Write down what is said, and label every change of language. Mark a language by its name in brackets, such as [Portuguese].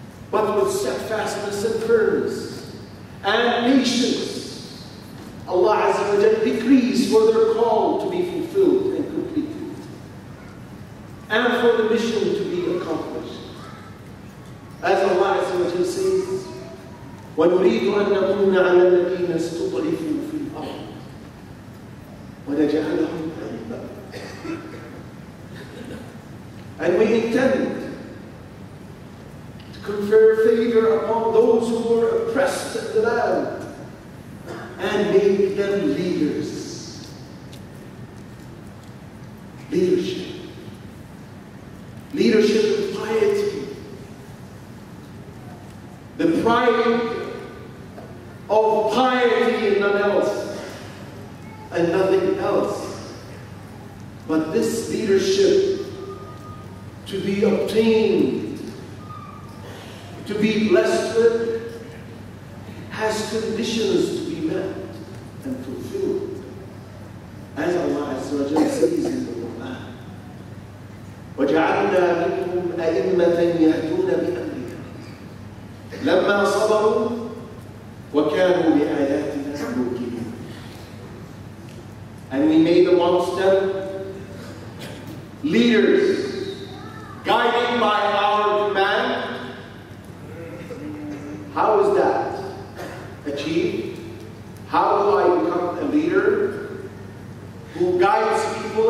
[English] But with steadfastness and firmness and patience, Allah Azza wa Jalla decrees for their call to be fulfilled and completed, and for the mission to be accomplished. As Allah Azza wa Jalla says, [Arabic] وَنُرِيدُ أَن نَكُونَ عَلَى الَّذِينَ اسْتُضْعِفُوا فِي الْأَرْضِ وَنَجْعَلَهُمْ. [English] And we intend to confer favor upon those who were oppressed in the land and make them leaders. Leadership. Leadership of piety. The pride of piety and none else. And nothing else. But this leadership to be obtained, to be blessed with, has conditions to be met and fulfilled. as Allah Azza wa Jalla says in the Quran, [Arabic] وَجَعَلْنَا مِنْهُمْ أَئِمَّةً يَهْدُونَ بِأَمْرِنَا لَمَّا صَبَرُوا وَكَانُوا بِآيَاتِنَا يُوقِنُونَ. [English] And we made amongst them leaders guided by our command. How is that achieved? How do I become a leader who guides people?